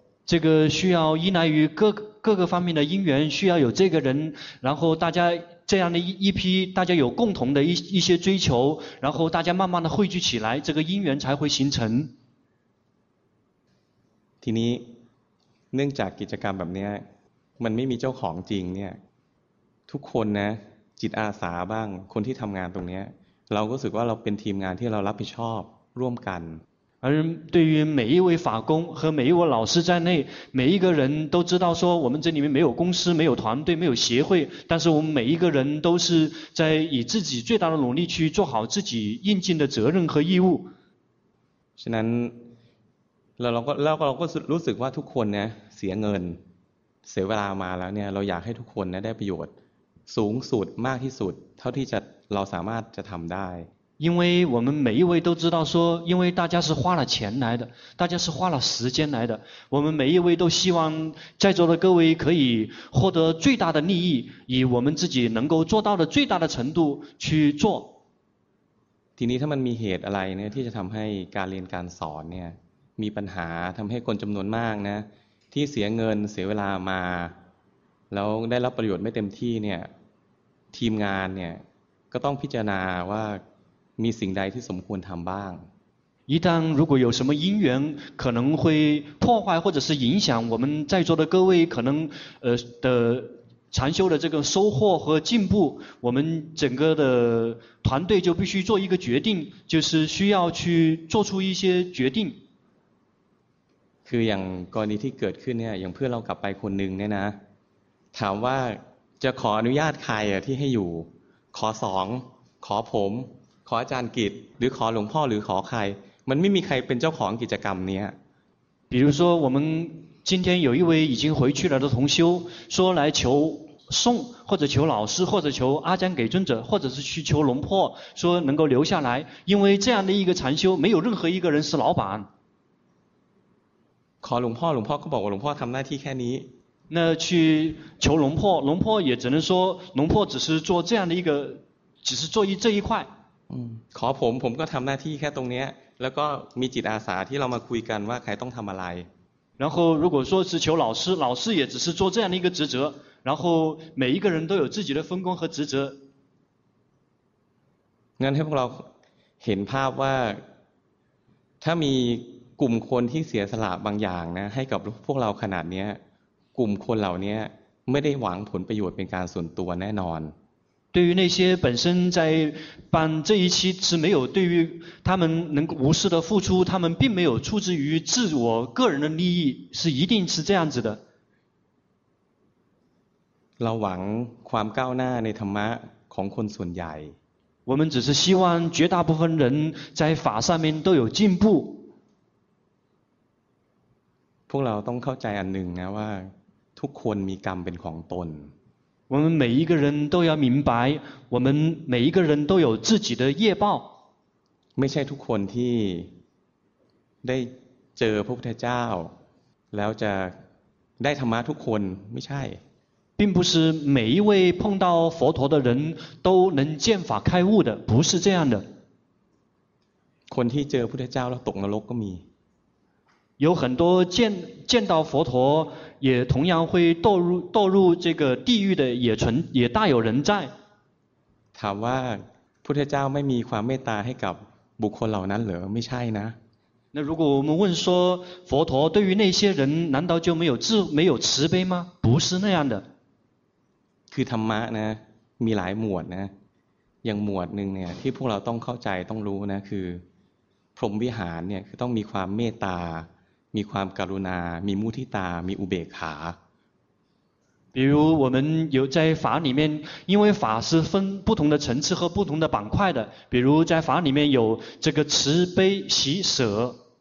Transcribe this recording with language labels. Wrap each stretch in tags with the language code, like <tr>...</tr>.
<zh>这个需要依赖于各个方面的因缘，需要有这个人，然后大家这样的一批，大家有共同的一些追求，然后大家慢慢的汇聚起来，这个因缘才会形成。</zh> <th>ทีนี้เนื่องจากกิจกรรมแบบนี้มันไม่มีเจ้าของจริงเนี่ยทุกคนนะจิตอาสาบ้างคนที่ทำงานตรงนี้เราก็รู้สึกว่าเราเป็นทีมงานที่เรารับผิดชอบร่วมกัน</th> <zh>而对于每一位法工和每一位老师在内，每一个人都知道说我们这里面没有公司，没有团队，没有协会，但是我们每一个人都是在以自己最大的努力去做好自己应尽的责任和义务。</zh> <th>ฉะนั้นเราก็รู้สึกว่าทุกคนเนี่ยเสียเงินเสียเวลามาแล้วเนี่ยเราอยากให้ทุกคนเนี่ยได้ประโยชน์สูงสุดมากที่สุดเท่าที่จะเราสามารถจะทำได้</th> <zh>因为我们每一位都知道说因为大家是花了钱来的大家是花了时间来的我们每一位都希望在座的各位可以获得最大的利益以我们自己能够做到的最大的程度去做</zh> <th>ทีนี้ถ้ามันมีเหตุอะไรเนี่ยที่จะทําให้การเรียนการสอนเนี่ยมีปัญหาทําให้คนจํานวนมากนะที่เสียเงินเสียเวลามาแล้วได้รับประโยชน์ไม่เต็มที่เนี่ยทีมงานเนี่ยก็ต้องพิจารณาว่ามีสิ่งใดที่สมควรทำบ้าง</th> <zh>一旦如果有什么因缘可能会破坏或者是影响我们在座的各位可能的禅修的这个收获和进步我们整个的团队就必须做一个决定就是需要去做出一些决定</zh> <th>คืออย่างกรณีที่เกิดขึ้นเนี่ยอย่างเพื่อนเรากลับไปคนหนึ่งเนี่ยนะถามว่าจะขออนุญาตใครอะที่ให้อยู่ขอสองขอผมขออาจารย์กิจหรือขอหลวงพ่อหรือขอใครมันไม่มีใครเป็นเจ้าของกิจกรรมนี้</th> <zh>比如说我们今天有一位已经回去了的同修说来求送或者求老师或者求阿姜给尊者或者是去求龙破说能够留下来因为这样的一个禅修没有任何一个人是老板</zh> <th>ขอหลวงพ่อหลวงพ่อก็บอกว่าหลวงพ่อทำหน้าที่แค่นี้</th> <zh>那去求龙破龙破也只能说龙破只是做这样的一个只是做这一块</zh> <th>ขอผมผมก็ทำหน้าที่แค่ตรงนี้แล้วก็มีจิตอาสาที่เรามาคุยกันว่าใครต้องทำอะไร</th> <zh>然后如果说是求老师老师也只是做这样的一个职责然后每一个人都有自己的分工和职责</zh> <th>งั้นให้พวกเราเห็นภาพว่าถ้ามีกลุ่มคนที่เสียสละบางอย่างนะให้กับพวกเราขนาดนี้กลุ่มคนเหล่านี้ไม่ได้หวังผลประโยชน์เป็นการส่วนตัวแน่นอน</th> <zh>对于那些本身在办这一期是没有对于他们能无私的付出他们并没有出自于自我个人的利益是一定是这样子的</zh> <th>เราหวังความก้าวหน้าในธรรมะของคนส่วนใหญ่</th> <zh>我们只是希望绝大部分人在法上面都有进步</zh> <th>พวกเราต้องเข้าใจอันหนึ่งนะว่าทุกคนมีกรรมเป็นของตน</th> <zh>我们每一个人都要明白我们每一个人都有自己的业报</zh> <th>ไม่ใช่ทุกคนที่ได้เจอพระพุทธเจ้าแล้วจะได้ธรรมะทุกคนไม่ใช่</th> <zh>并不是每一位碰到佛陀的人都能见法开悟的不是这样的</zh> <th>คนที่เจอพุทธเจ้าแล้วตกนรกก็มี</th> <zh>有很多见到佛陀也同样会堕入这个地狱的也大有人在</zh> <th>ถามว่าพุทธเจ้าไม่มีความเมตตาให้กับบุคคลเหล่านั้นเหรอไม่ใช่นะ</th> <zh>那如果我们问说佛陀对于那些人难道就没有慈悲吗不是那样的</zh> <th>คือธรรมะนะมีหลายหมวดนะอย่างหมวดหนึ่งเนี่ยที่พวกเราต้องเข้าใจต้องรู้นะคือพรหมวิหารเนี่ยคือต้องมีความเมตตามีความกรุณามีมุทิตามีอุเบกขา</th> <zh>比如我们有在法里面因为法是分不同的层次和不同的板块的比如在法里面有这个慈悲喜舍</zh>